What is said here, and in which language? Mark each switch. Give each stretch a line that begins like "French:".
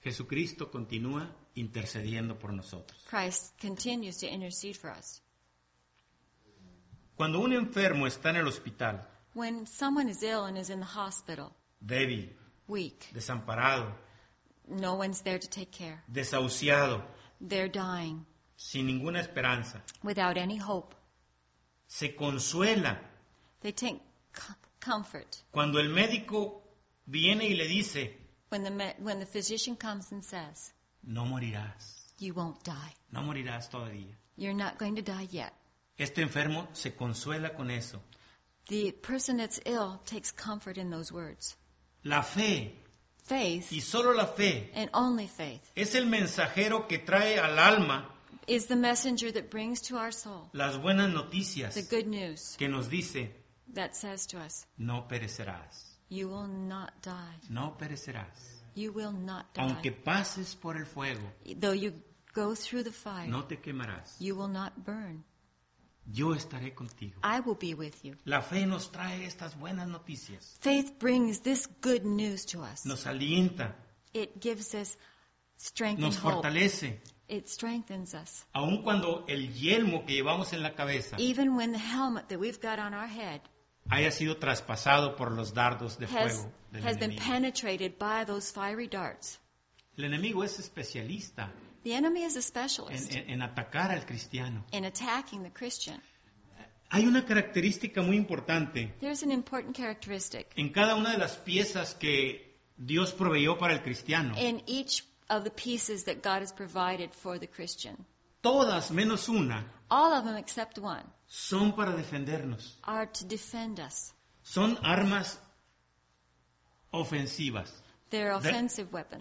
Spanish: Jesucristo continúa intercediendo por nosotros.
English: Christ continues to intercede for us.
Spanish: Cuando un enfermo está en el hospital,
English: when someone is ill and is in the hospital,
Spanish: débil,
English: weak,
Spanish: desamparado,
English: no one's there to take care,
Spanish: desahuciado,
English: they're dying,
Spanish: sin ninguna esperanza,
English: without any hope,
Spanish: se consuela,
English: they take comfort,
Spanish: cuando el médico viene y le dice,
English: when the physician comes and says,
Spanish: no morirás.
English: You won't die.
Spanish: No morirás todavía.
English: You're not going to die yet.
Spanish: Este enfermo se consuela con eso.
English: The person that's ill takes comfort in those words.
Spanish: La fe.
English: Faith.
Spanish: Y solo la fe.
English: And only faith.
Spanish: Es el mensajero que trae al alma.
English: Is the messenger that brings to our soul.
Spanish: Las buenas noticias.
English: The good news.
Spanish: Que nos dice.
English: That says to us.
Spanish: No perecerás.
English: You will not die.
Spanish: No perecerás.
English: You will not die.
Spanish: Aunque pases por el fuego,
English: though you go through the fire,
Spanish: no te quemarás.
English: You will not burn.
Spanish: Yo estaré contigo.
English: I will be with you.
Spanish: La fe nos trae estas buenas noticias.
English: Faith brings this good news to us.
Spanish: Nos alienta.
English: It gives us strength
Spanish: nos
English: and hope.
Spanish: Nos fortalece.
English: It strengthens us.
Spanish: Aun cuando el yelmo que llevamos en la cabeza,
English: even when the helmet that we've got on our head,
Spanish: haya sido traspasado por los dardos de fuego del enemigo.
English: Has been penetrated by those fiery darts.
Spanish: El enemigo es especialista.
English: The enemy is a specialist.
Spanish: En atacar al cristiano.
English: In attacking the Christian.
Spanish: Hay una característica muy importante.
English: There's an important characteristic.
Spanish: En cada una de las piezas que Dios proveyó para el cristiano.
English: In each of the pieces that God has provided for the Christian.
Spanish: Todas menos una.
English: All of them except one.
Spanish: Son para defendernos.
English: Are to defend us.
Spanish: Son armas ofensivas.
English: They're offensive weapons.